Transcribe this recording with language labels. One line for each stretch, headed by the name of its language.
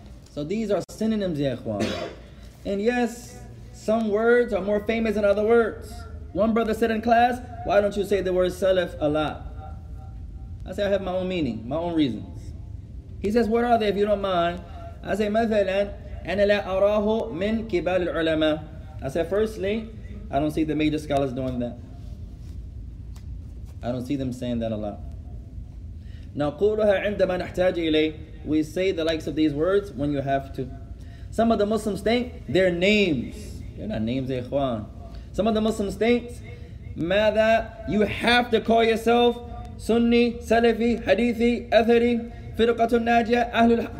English: So these are synonyms, ya ikhwan. And yes, some words are more famous than other words. One brother said in class, why don't you say the word Salaf a lot? I say, I have my own meaning, my own reasons. He says, what are they, if you don't mind? I say,
Arabic: مثلاً أنا لا أراه من كبال العلماء.
English: I say, firstly, I don't see the major scholars doing that. I don't see them saying that a lot.
Arabic: نقولها عندما نحتاج إليه.
English: We say the likes of these words when you have to. Some of the Muslims think they're names. They're not names, ikhwan. Some of the Muslims think, ماذا, you have to call yourself Sunni, Salafi, Hadithi, Athari, Firqatul Najiyah, Ahlul.